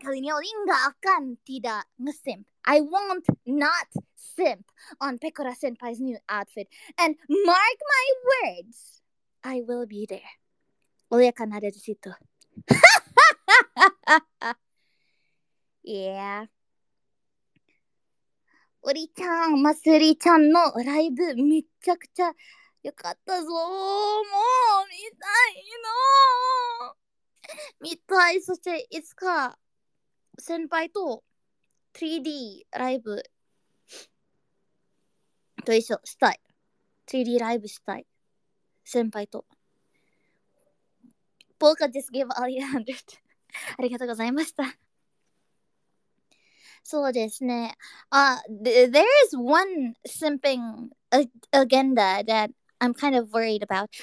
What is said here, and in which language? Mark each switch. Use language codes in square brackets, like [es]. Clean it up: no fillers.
[id] Kali ini Oli gak akan tidak nge-simp. [en] I won't not simp on ペコラ先輩's new outfit. And mark my words, I will be there. [id] Oli akan ada di situ. [en] Yeah. [ja] オリちゃん、マスリちゃんのライブめっちゃくちゃ良かったぞ。もう見たいの。見たい。そしていつか先輩と 3D ライブと一緒したい。 3D ライブしたい。先輩と。 [en] ポーカー just gave Ali 100. [ja] ありがとうございました。そうですね。 [en] There is one simping agenda that I'm kind of worried about.